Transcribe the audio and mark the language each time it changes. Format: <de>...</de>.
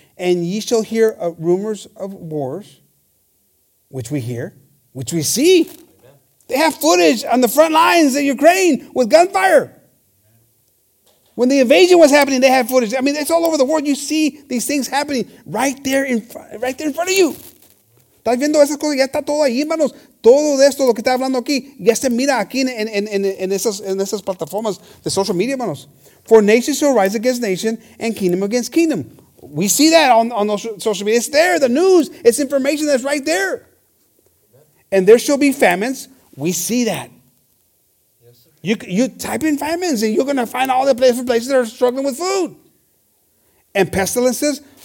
<en>And ye shall hear of rumors of wars, which we hear, which we see. Amen. They have footage on the front lines in Ukraine with gunfire. When the invasion was happening, they had footage. I mean, it's all over the world. You see these things happening right there in front of you.</en> <es>¿Estás viendo esas cosas? Ya está todo ahí, hermanos. Todo esto, lo que está hablando aquí, ya se mira aquí en esas plataformas de social media, hermanos.</es> <en>For nations shall rise against nation and kingdom against kingdom. We see that on those social media. It's there, the news. It's information that's right there. And there shall be famines. We see that. You type in famines and you're going to find all the places that are struggling with food. And pestilences,</en>